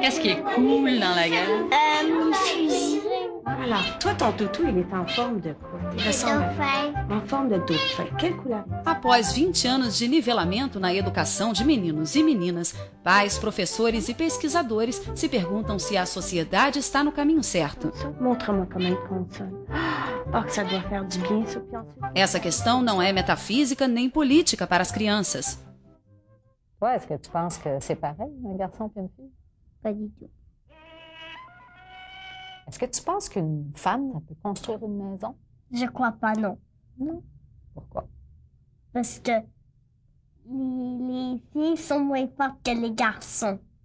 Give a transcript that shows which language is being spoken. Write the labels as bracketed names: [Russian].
[French] Qu'est-ce qui est cool dans la gare? Mon fusil. Alors, toi, ton toutou, il est en forme de quoi? De dauphin. En forme de dauphin. Quelle couleur? [Portuguese] Após 20 anos de nivelamento na educação de meninos e meninas, pais, professores e pesquisadores se perguntam se a sociedade está no caminho certo. [French] Montre-moi [Portuguese] como ele funciona. [French] Oh, que ça doit faire du bien, ce pion. [Portuguese] Essa questão não é metafísica nem política para as crianças. [French] Ué, est-ce que tu penses que c'est pareil, un garçon et une fille? Pas du tout. Est-ce que tu penses qu'une femme peut construire une maison? Je crois pas, non. Non? Pourquoi? Parce que les filles sont moins fortes que les garçons.